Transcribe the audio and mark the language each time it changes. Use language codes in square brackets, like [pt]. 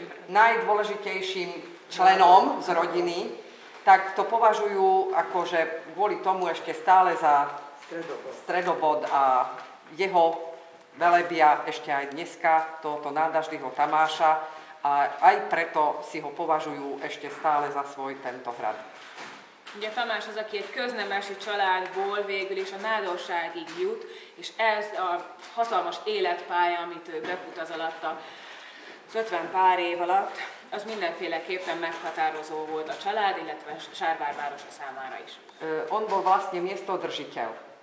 [sk] Najdôležitejším členom z rodiny, tak to považujú akože kvôli tomu ešte stále za stredobod a jeho velebia ešte aj dneska, tohoto Nádasdyho Tamáša, a aj preto si ho považujú ešte stále za svoj tento hrad. [hu] Ugye Tamás az, aki egy köznemesi családból végül is a nádorságig jut, és ez a hatalmas életpálya, amit ő befutaz alatt az 50 pár év alatt, az mindenféleképpen meghatározó volt a család, illetve Sárvár városa számára is. [sk] On bol vlastne miestodržiteľ.